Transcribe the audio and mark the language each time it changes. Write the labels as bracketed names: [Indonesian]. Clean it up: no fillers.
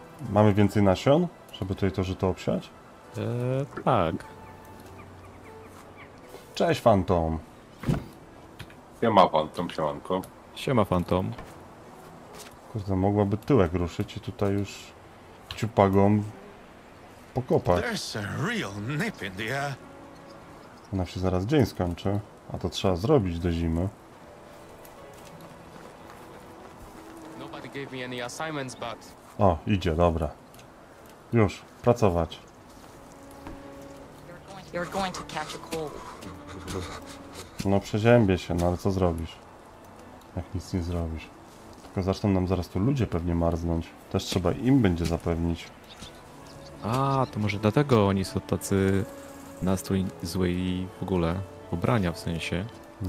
[Polish] Mamy więcej nasion, żeby tutaj to żyto obsiać? Tak. Cześć, Phantom. Siema, Phantom, siemanko. Siema, Phantom. Kurde, mogłaby tyłek ruszyć i tutaj już ciupagą pokopać. [English] There's a real nip in the air. [Polish] Ona się zaraz dzień skończy, a to trzeba zrobić do zimy. [English] Nobody gave me any assignments, but... [Polish] O, idzie, dobra. Już, pracować. [English] You're going to catch a cold. [Polish] No przeziębię się, no ale co zrobisz? Jak nic nie zrobisz. Tylko zaczną nam zaraz tu ludzie pewnie marznąć. Też trzeba im będzie zapewnić. A, to może dlatego oni są tacy nastrój zły i w ogóle ubrania w sensie no.